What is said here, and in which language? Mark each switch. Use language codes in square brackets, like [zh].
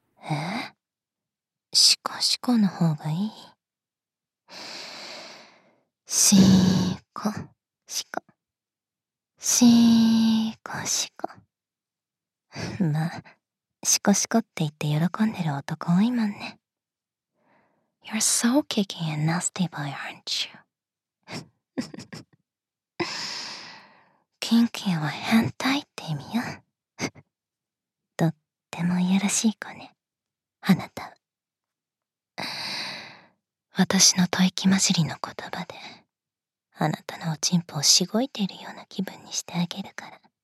[ja] え？シコシコの方がいい？シーコ、シコ。シコシコ。まあ、シコシコって言って喜んでる男多いもんね。 [en] You're so kicking and nasty boy, aren't you? [ja] キンキーは変態って意味よ。とってもいやらしい子ね、あなた。私の吐息混じりの言葉で。あなたのおちんぽをしごいているような気分にしてあげるから。